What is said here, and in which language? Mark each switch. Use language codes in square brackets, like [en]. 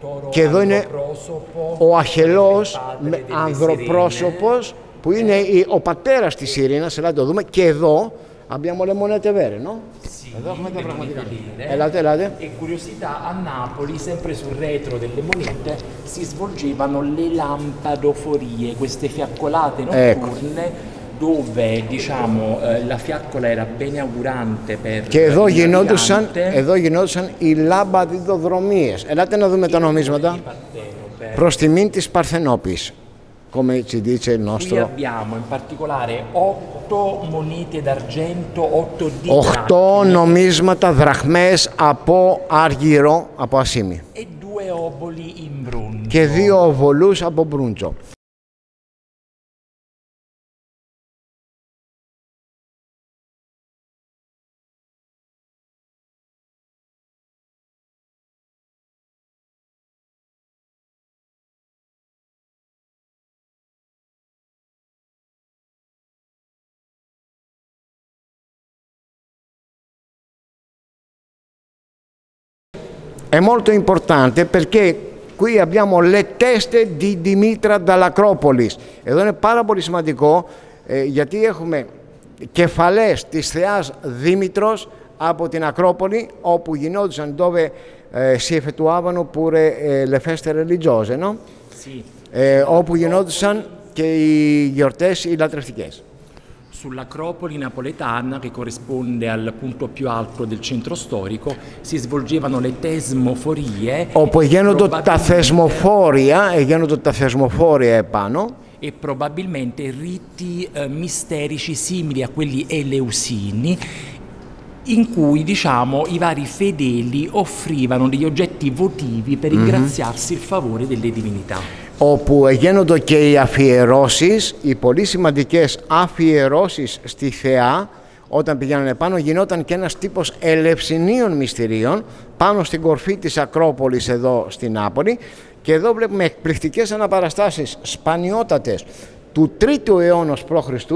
[el] Και εδώ είναι ο Αχελός, ανδροπρόσωπος, που είναι ο πατέρας της Σιρήνας, ελάτε το δούμε. Και εδώ, [it] abbiamo le monete vere, no? [el] Εδώ έχουμε τα πραγματικά. Ελάτε, ελάτε. [it] E curiosità, a Napoli, sempre sul retro delle monete, si svolgevano le lampadoforie, queste fiaccolate notturne, dove diciamo la fiaccola era bene augurante per [el] che εδώ γινόντουσαν οι λαμπαδιδοδρομίες. Ελάτε να δούμε τα νομίσματα προς τιμήν της Παρθενόπης, [it] come ci dice il nostro. Qui abbiamo in particolare 8 monete d'argento, 8 di [el] 8 νομίσματα δραχμές από άργυρο, από ασίμι. [it] E due oboli in bronzo. [el] Και 2 οβολούς από μπρούντζο. [it] È molto importante perché qui abbiamo le teste di Dimitra dall'Acropolis. [el] Εδώ είναι πάρα πολύ σημαντικό, γιατί έχουμε κεφαλές της θεάς Δήμητρος από την Ακρόπολη, όπου γινόντουσαν, [it] dove si effettuavano pure le feste religiose, no? [el] Όπου γινόντουσαν και οι γιορτές, οι λατρευτικές. [it] Sull'acropoli napoletana, che corrisponde al punto più alto del centro storico, si svolgevano le tesmoforie. [el] Όπου γίνονται τα θεσμοφόρια, γίνονται τα θεσμοφόρια επάνω. [it] E probabilmente riti misterici simili a quelli eleusini, in cui diciamo i vari fedeli offrivano degli oggetti votivi per ringraziarsi il favore delle divinità. [el] Όπου γίνονται και οι αφιερώσεις, οι πολύ σημαντικές αφιερώσεις στη θεά, όταν πηγαίνανε πάνω, γινόταν και ένας τύπος ελευσινίων μυστηρίων πάνω στην κορφή της Ακρόπολης εδώ στην Νάπολη. Και εδώ βλέπουμε εκπληκτικές αναπαραστάσεις, σπανιότατες, του 3ου αιώνα π.Χ.